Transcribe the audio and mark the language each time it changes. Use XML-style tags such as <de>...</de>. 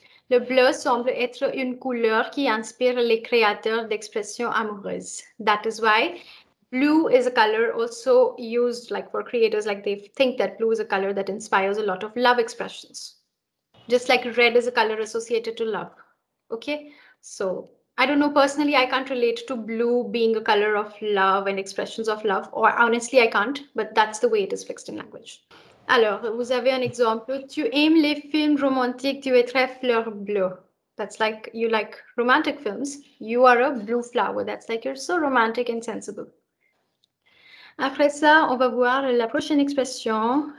<fr>Le bleu semble être une couleur qui inspire les créateurs d'expressions amoureuses.</fr> <en>That is why blue is a color also used like for creators, like they think that blue is a color that inspires a lot of love expressions. Just like red is a color associated to love. Okay, so I don't know, personally, I can't relate to blue being a color of love and expressions of love, or honestly, I can't, but that's the way it is fixed in language.</en> <fr>Alors, vous avez un exemple. Tu aimes les films romantiques, tu es très fleur bleue.</fr> <en>That's like, you like romantic films. You are a blue flower. That's like, you're so romantic and sensible.</en> <fr>Après ça, on va voir la prochaine expression.</fr>